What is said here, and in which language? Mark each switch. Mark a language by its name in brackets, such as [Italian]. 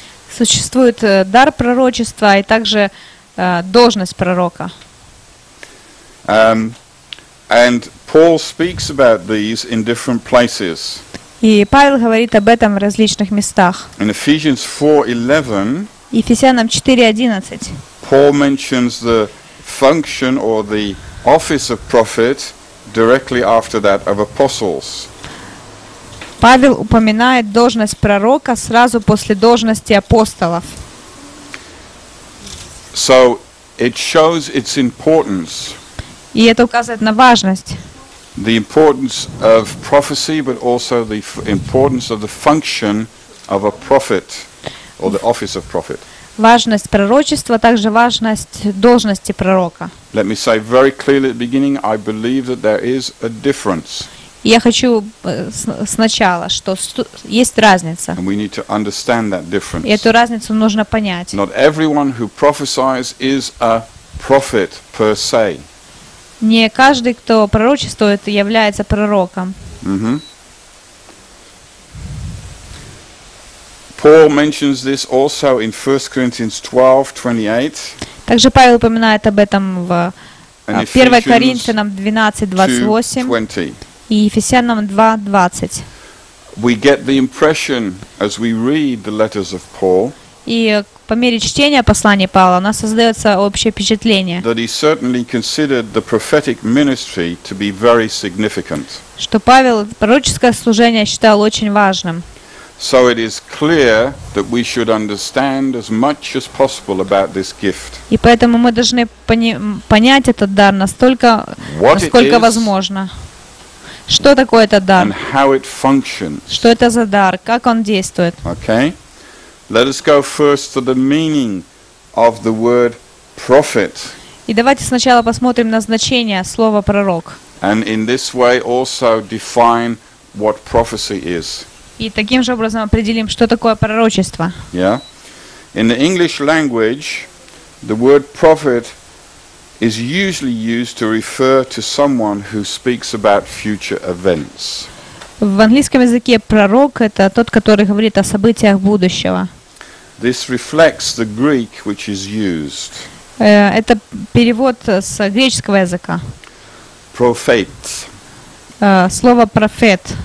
[Russian] Существует дар пророчества и также должность пророка. [English] And Paul speaks about these in different places. [Russian] И Павел говорит об этом в различных местах. [English] In Ephesians 4:11. [Russian] Ефесянам 4:11. [English] Paul mentions the function or the office of prophet directly after that of apostles. [Russian] Павел упоминает должность пророка сразу после должности апостолов. [English] So it shows its importance. [Russian] И это указывает на важность. [English] The importance of prophecy, but also the importance of the function of a prophet, or the office of prophet. [Russian] Важность пророчества, также важность должности пророка. [English] Let me say very clearly at the beginning, I believe that there is a difference. [Russian] Я хочу сначала, что есть разница. [English] And we need to understand that difference. [Russian] И эту разницу нужно понять. [English] Not everyone who prophesies is a prophet per se. [Russian] Не каждый, кто пророчествует, является пророком. [English] Paul mentions this also in 1 Corinthians 12:28. [Russian] Также Павел упоминает об этом в 1 Коринфянам 12:28 и Ефесянам 2:20. [English] We get the impression as we read the letters of Paul. [Russian] И по мере чтения послания Павла у нас создается общее впечатление, [English] that he certainly considered the prophetic ministry to be very significant. [Russian] Что Павел пророческое служение считал очень важным. [English] So it is clear that we should understand as much as possible about this gift. [Russian] И поэтому мы должны понять этот дар настолько, насколько возможно. Что такое этот дар? [English] And how it functions. [Russian] Что это за дар? Как он действует? [English] Okay. Let us go first to the meaning of the word prophet. [Russian] И давайте сначала посмотрим на значение слова пророк. [English] And in this way also define what prophecy is. [Russian] И таким же образом определим, что такое пророчество. [English] Yeah. In the English language, the word prophet is usually used to refer to someone who speaks about future events. [Russian] В английском языке пророк – это тот, который говорит о событиях будущего. [English] This reflects the Greek, which is used. [Russian] Это перевод с греческого языка. [English] Prophet. [Russian] Слово «профет».